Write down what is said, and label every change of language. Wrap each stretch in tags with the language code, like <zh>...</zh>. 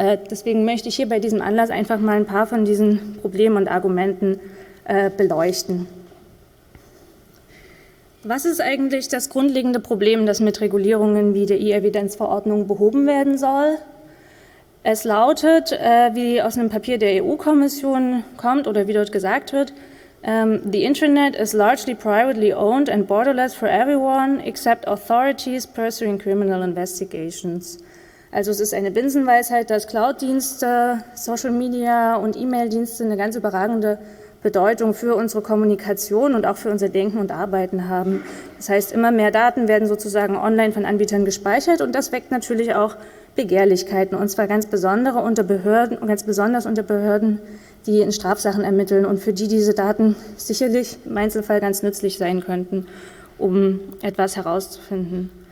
<de>Deswegen möchte ich hier bei diesem Anlass einfach mal ein paar von diesen Problemen und Argumenten beleuchten. Was ist eigentlich das grundlegende Problem, das mit Regulierungen wie der E-Evidenz-Verordnung behoben werden soll? Es lautet, wie aus einem Papier der EU-Kommission kommt oder wie dort gesagt wird,</de> <en>The internet is largely privately owned and borderless for everyone except authorities pursuing criminal investigations.</en> <de>Also es ist eine Binsenweisheit, dass Cloud-Dienste, Social Media und E-Mail-Dienste eine ganz überragende Bedeutung für unsere Kommunikation und auch für unser Denken und Arbeiten haben. Das heißt, immer mehr Daten werden sozusagen online von Anbietern gespeichert und das weckt natürlich auch Begehrlichkeiten, und zwar ganz besondere unter Behörden und ganz besonders unter Behörden, die in Strafsachen ermitteln und für die diese Daten sicherlich im Einzelfall ganz nützlich sein könnten, um etwas herauszufinden.</de>